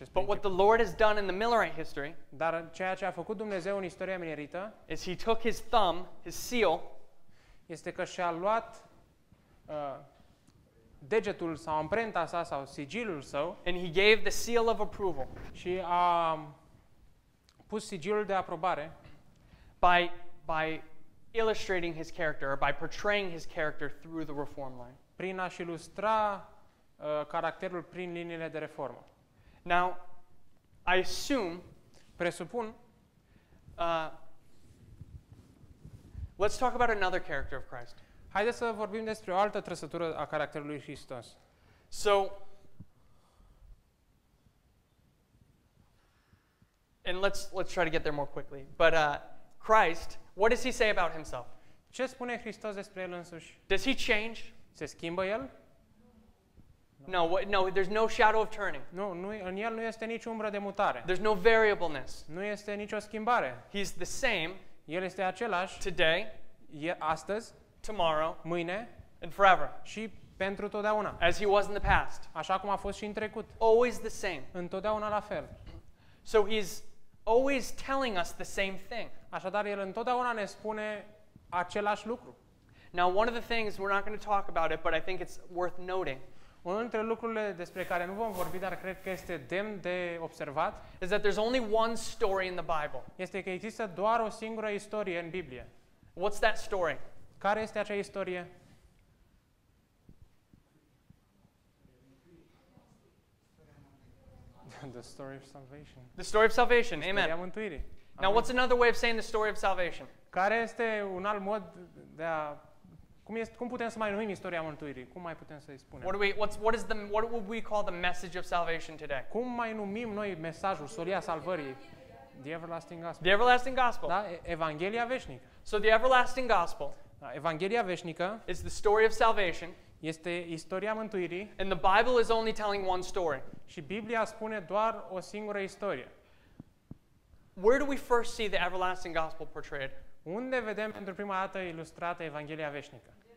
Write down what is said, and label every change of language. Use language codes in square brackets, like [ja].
[en] But what the Lord has done in the Millerite history, [ro] dar ceea ce a făcut Dumnezeu în istoria minerită, [en] is he took his thumb, his seal, [ro] este că și-a luat degetul sau amprenta sa sau sigilul său, [en] and he gave the seal of approval. [ro] Și a pus sigilul de aprobare [en] by illustrating his character or by portraying his character through the reform line. [ro] Prin a-și ilustra caracterul prin liniile de reformă. [en] Now, I assume, [ro] presupun, [en] let's talk about another character of Christ. [ro] Haideți să vorbim despre o altă trăsătură a caracterului Hristos. [en] So, and let's try to get there more quickly. But Christ, what does he say about himself? [ro] Ce spune Hristos despre el însuși? [en] Does he change? [ro] Se schimbă el? [en] No, there's no shadow of turning. [ro] Nu, în el nu este nici umbră de mutare. [en] There's no variableness. [ro] Nu este nicio schimbare. [en] He's the same. [ro] El este același. [en] Today. [ro] Astăzi. [en] Tomorrow, [ro] mâine, [en] and forever. [ro] Și pentru totdeauna. [en] As he was in the past. [ro] Așa cum a fost și în trecut. [en] Always the same. [ro] Întotdeauna la fel. [en] So he's always telling us the same thing. [ro] Așadar el întotdeauna ne spune același lucru. [en] Now one of the things we're not going to talk about it, but I think it's worth noting. [ro] Unul dintre lucrurile despre care nu vom vorbi, dar cred că este demn de observat, [en] is that there's only one story in the Bible. [ro] Este că există doar o singură istorie în Biblie. [en] What's that story? [ro] Care este acea istorie? [en] The story of salvation. The story of salvation. Amen. Now, what's another way of saying the story of salvation? [ro] Care este un alt mod de a cum putem să mai numim istoria mântuirii? Cum mai putem să îi spunem? [en] What would we call the message of salvation today? [ro] Cum mai numim noi mesajul, soria salvării? [en] The everlasting gospel. The everlasting gospel. [ro] Da, evanghelia veșnică. [en] So the everlasting gospel. [ro] Da, evanghelia veșnică. [en] Is the story of salvation. [ro] Este istoria mântuirii. [en] And the Bible is only telling one story. [ro] Și Biblia spune doar o singură istorie. [en] Where do we first see the everlasting gospel portrayed? [ro] Unde vedem pentru prima dată ilustrată evanghelia veșnică?